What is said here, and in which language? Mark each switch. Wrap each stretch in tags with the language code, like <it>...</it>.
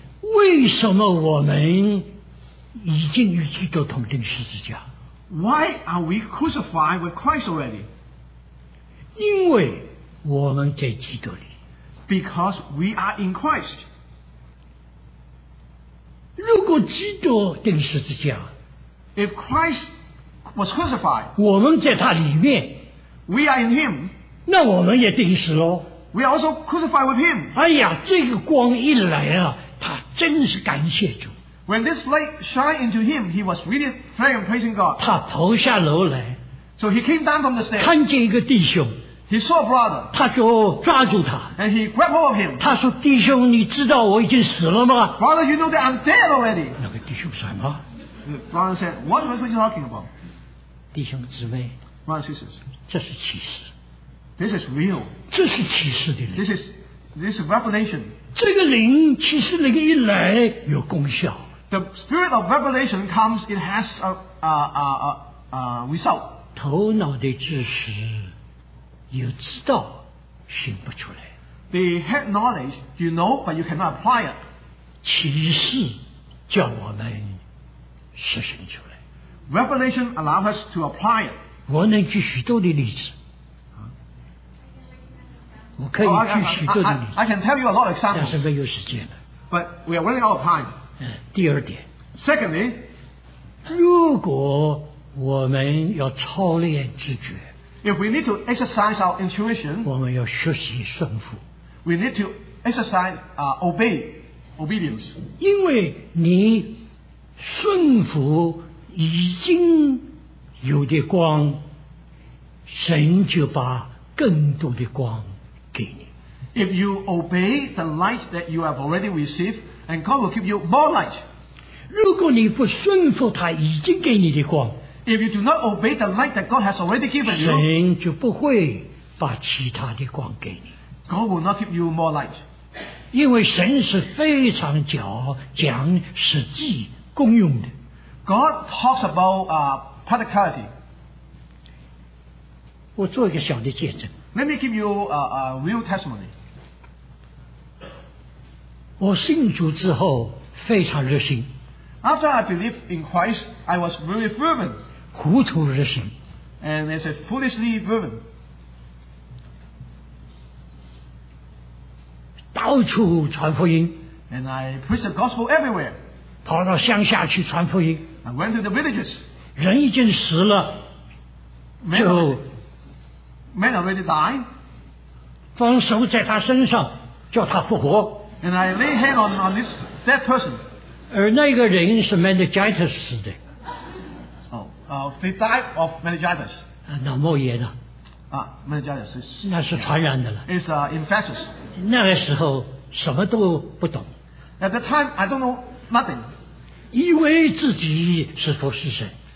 <zh>为什么我们已经与基督同钉十字架</zh> <en>？Why are we crucified with Christ already？</en> <zh>因为我们在基督里。</zh> <en>Because we are in Christ。</en> <zh>如果基督钉十字架</zh> <en>，If Christ was crucified，</en> <zh>我们在他里面</zh> <en>，We are in Him。</en> <zh>那我们也钉死喽。</zh> <en>We are also crucified with Him。</en> <zh>哎呀，这个光一来啊！他真是感谢主。</zh> <en>When this light shined into him, he was really thanking and praising God.</en> <zh>他跑下楼来。</zh> <en>So he came down from the stairs.</en> <zh>看见一个弟兄。</zh> <en>He saw a brother.</en> <zh>他就抓住他。</zh> <en>And he grabbed hold of him.</en> <zh>他说：“弟兄，你知道我已经死了吗</zh> <en>？”Brother, you know that I'm dead already.</en> <zh>那个弟兄说什么</zh> <en>？Brother said, "What are you talking about?"</en> <zh>弟兄姊妹。</zh> <en>Brother sisters.</en> <zh>这是启示。</zh> <en>This is real.</en> <zh>这是启示的灵。</zh> <en>This is revelation.</en> <zh>这个灵其实那个一来有功效。</zh> <en>The spirit of revelation comes, it has a result.</en> <zh>头脑的知识有知道，行不出来。</zh> <en>The head knowledge you know, but you cannot apply it.</en> <zh>启示叫我们实行出来。</zh> <en>Revelation allows us to apply it.</en> <zh>我能举许多的例子。我可以举许多的例子。</zh> <en>I can tell you a lot of examples.</en> <zh>但是没有时间了。</zh> <en>But we are running out of time.</en> <zh>第二点。</zh> <en>Secondly,</en> <zh>如果我们要操练知觉。</zh> <en>If we need to exercise our intuition,</en> <zh>我们要学习顺服。</zh> <en>We need to exercise, obey, obedience.</en> <zh>因为你顺服已经有的光，神就把更多的光</zh> <en>If you obey the light that you have already received, and God will give you more light.</en> <zh>如果你不顺服他已经给你的光</zh> <en>If you do not obey the light that God has already given you,</en> <zh>神就不会把其他的光给你</zh> <en>God will not give you more light.</en> <zh>因为神是非常讲实际功用的</zh> <en>God talks about practicality.</en> <zh>我做一个小的见证</zh> <en>Let me give you a real testimony.</en> <zh>我信主之后非常热心。</zh> <en>After I believed in Christ, I was really fervent.</en> <zh>糊涂热心。</zh> <en>And I said foolishly fervent.</en> <zh>到处传福音。</zh> <en>And I preach the gospel everywhere.</en> <zh>跑到乡下去传福音。</zh> <en>I went to the villages.</en> <zh>人已经死了，就</zh> <en>man already died.</en> <zh>放手在他身上，叫他复活。</zh> <en>And I lay hand on this dead person.</en> <zh>而那个人是 meningitis 死的。</zh> <en>They died of meningitis.</en> <zh>脑膜炎了。</zh> <en>meningitis is</en> <zh>那是传染的了。</zh> <en>It's infectious.</en> <zh>那个时候什么都不懂。</zh> <en>At the time, I don't know nothing.</en> <zh>以为自己是服侍神。</zh>